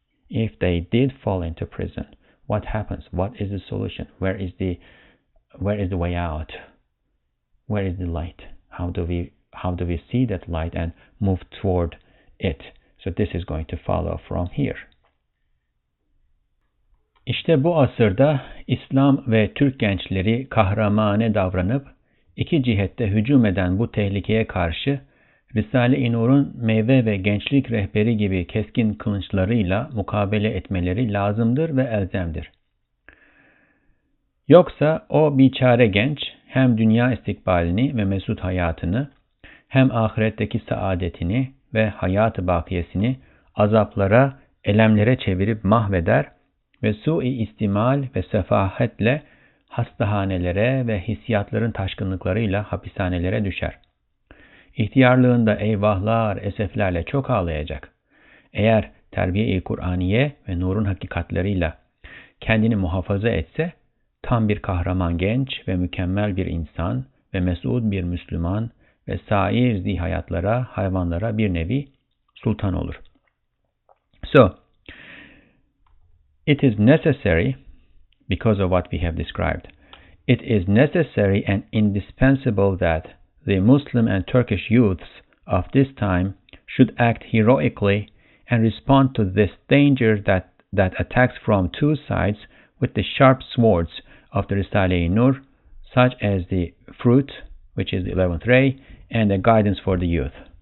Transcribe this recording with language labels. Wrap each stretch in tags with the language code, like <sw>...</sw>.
<en>If they did fall into prison, what happens? What is the solution? Where is the way out? Where is the light? How do we see that light and move toward it? So this is going to follow from here.</en> <tr>İşte bu asırda İslam ve Türk gençleri kahramane davranıp İki cihette hücum eden bu tehlikeye karşı Risale-i Nur'un meyve ve gençlik rehberi gibi keskin kılınçlarıyla mukabele etmeleri lazımdır ve elzemdir. Yoksa o biçare genç hem dünya istikbalini ve mesut hayatını hem ahiretteki saadetini ve hayat-ı bakiyesini azaplara, elemlere çevirip mahveder ve su-i istimal ve sefahetle hastahanelere ve hissiyatların taşkınlıklarıyla hapishanelere düşer. İhtiyarlığında eyvahlar, eseflerle çok ağlayacak. Eğer terbiye-i Kur'aniye ve nurun hakikatleriyle kendini muhafaza etse, tam bir kahraman genç ve mükemmel bir insan ve mesud bir Müslüman ve sair zihayatlara, hayvanlara bir nevi sultan olur.</tr> <en>So, it is necessary, because of what we have described, it is necessary and indispensable that the Muslim and Turkish youths of this time should act heroically and respond to this danger that attacks from two sides with the sharp swords of the Risale-i Nur, such as the fruit, which is the 11th ray, and the guidance for the youth.</en>